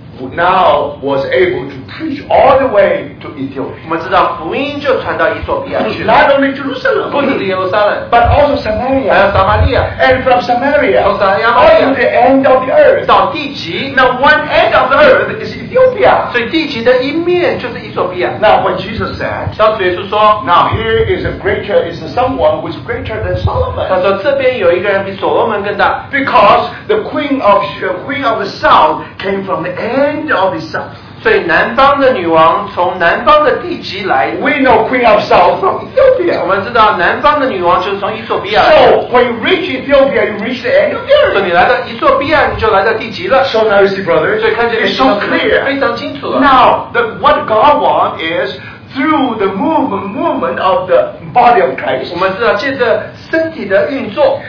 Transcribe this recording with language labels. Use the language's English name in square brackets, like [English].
[English] Now was able to preach all the way to Ethiopia. Not only Jerusalem, [Chinese] 不止耶路撒冷, [English] but also Samaria. [Chinese] 还有撒玛利亚, [English] and from Samaria, all to the end of the earth. [Chinese] 到地极, [English] now one end of the earth is Ethiopia. [Chinese] 所以地极的一面就是以索比亚. [English] Now when Jesus said, [Chinese] 当主耶稣说, [English] now here is a greater, is someone who is greater than Solomon. [Chinese] 他说这边有一个人比所罗门更大, [English] because the queen of the south came from the end. End of the south. We know Queen of South from Ethiopia. So when you reach Ethiopia, you reach the end of the earth. So now you see, brothers, it's so clear. Now, what God wants is through the movement of the body of Christ. [Chinese] 我们知道借着身体的运作,